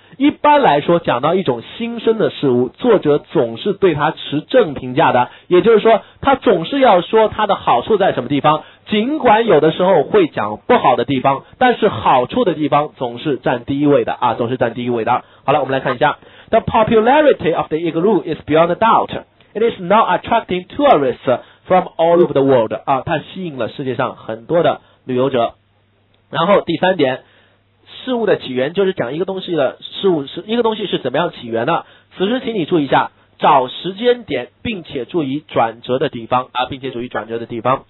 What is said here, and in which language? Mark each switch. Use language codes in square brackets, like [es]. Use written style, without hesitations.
[zh] 一般来说，讲到一种新生的事物，作者总是对它持正评价的，也就是说他总是要说它的好处在什么地方，尽管有的时候会讲不好的地方，但是好处的地方总是占第一位的啊，总是占第一位的。好了，我们来看一下， [en] The popularity of the igloo is beyond doubt. It is now attracting tourists from all over the world. [zh] 啊，它吸引了世界上很多的旅游者。然后第三点，事物的起源，就是讲一个东西的事物是一个东西是怎么样起源的。此时请你注意一下，找时间点，并且注意转折的地方啊，并且注意转折的地方。